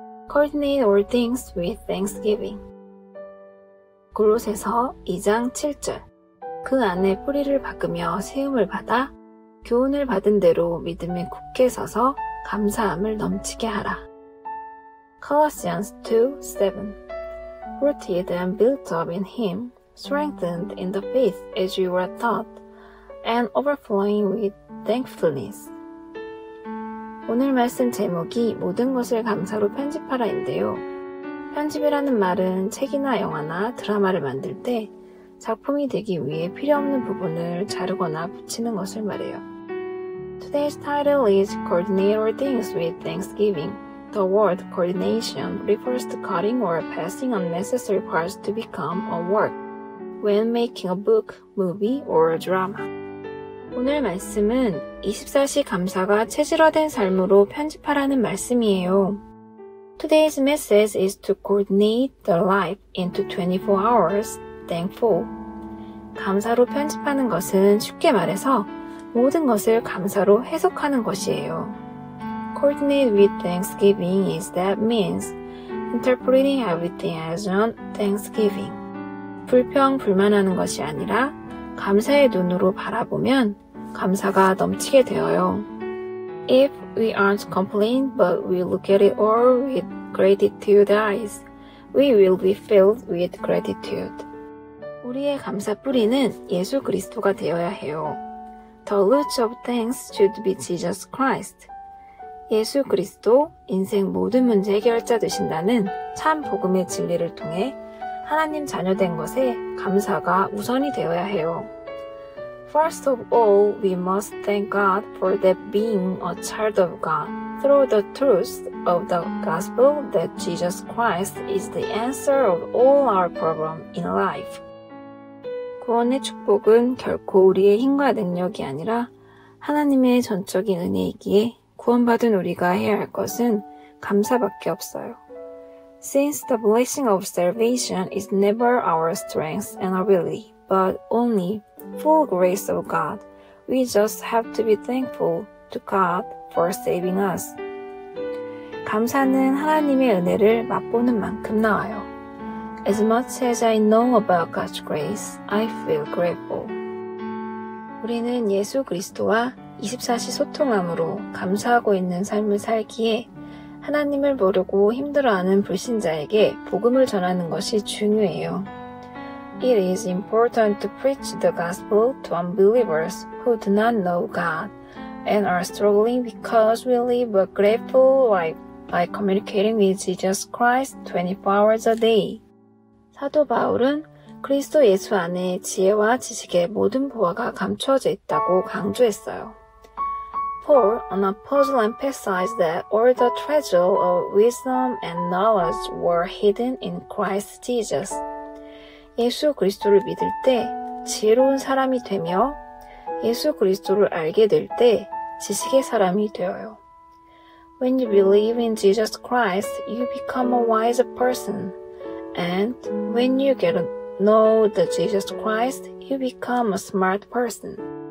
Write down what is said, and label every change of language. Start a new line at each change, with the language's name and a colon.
English: Coordinate all things with thanksgiving.
Korean: 골로새서 2장 7절. 그 안에 뿌리를 박으며 세움을 받아 교훈을 받은 대로 믿음에 굳게 서서 감사함을 넘치게 하라.
English: Colossians 2:7. Rooted and built up in him, strengthened in the faith as you were taught, and overflowing with thankfulness.
Korean: 오늘 말씀 제목이 모든 것을 감사로 편집하라인데요. 편집이라는 말은 책이나 영화나 드라마를 만들 때 작품이 되기 위해 필요없는 부분을 자르거나 붙이는 것을 말해요.
English: Today's title is Coordinate All Things with Thanksgiving. The word coordination refers to cutting or passing unnecessary parts to become a work when making a book, movie, or a drama.
Korean: 오늘 말씀은 24시 감사가 체질화된 삶으로 편집하라는 말씀이에요.
English: Today's message is to coordinate the life into 24 hours thankful.
Korean: 감사로 편집하는 것은 쉽게 말해서 모든 것을 감사로 해석하는 것이에요.
English: Coordinate with thanksgiving is that means interpreting everything as on thanksgiving.
Korean: 불평, 불만하는 것이 아니라 감사의 눈으로 바라보면 감사가 넘치게 되어요.
English: If we aren't complaining but we look at it all with gratitude eyes, we will be filled with gratitude.
Korean: 우리의 감사 뿌리는 예수 그리스도가 되어야 해요.
English: The root of thanks should be Jesus Christ.
Korean: 예수 그리스도, 인생 모든 문제 해결자 되신다는 참 복음의 진리를 통해 하나님 자녀된 것에 감사가 우선이 되어야 해요.
English: First of all, we must thank God for that being a child of God through the truth of the gospel that Jesus Christ is the answer of all our problems in life.
Korean: 구원의 축복은 결코 우리의 힘과 능력이 아니라 하나님의 전적인 은혜이기에 구원받은 우리가 해야 할 것은 감사밖에 없어요.
English: Since the blessing of salvation is never our strength and ability, but only full grace of God, we just have to be thankful to God for saving us.
Korean: 감사는 하나님의 은혜를 맛보는 만큼 나와요.
English: As much as I know about God's grace, I feel grateful.
Korean: 우리는 예수 그리스도와 24시 소통함으로 감사하고 있는 삶을 살기에 하나님을 모르고 힘들어하는 불신자에게 복음을 전하는 것이 중요해요.
English: It is important to preach the gospel to unbelievers who do not know God and are struggling because we live a grateful life by communicating with Jesus Christ 24 hours a day.
Korean: 사도 바울은 그리스도 예수 안에 지혜와 지식의 모든 보화가 감추어져 있다고 강조했어요.
English: Paul, an apostle, emphasized that all the treasure of wisdom and knowledge were hidden in Christ Jesus.
Korean: 예수 그리스도를 믿을 때 지혜로운 사람이 되며 예수 그리스도를 알게 될 때 지식의 사람이 되어요.
English: When you believe in Jesus Christ, you become a wise person. And when you get to know the Jesus Christ, you become a smart person.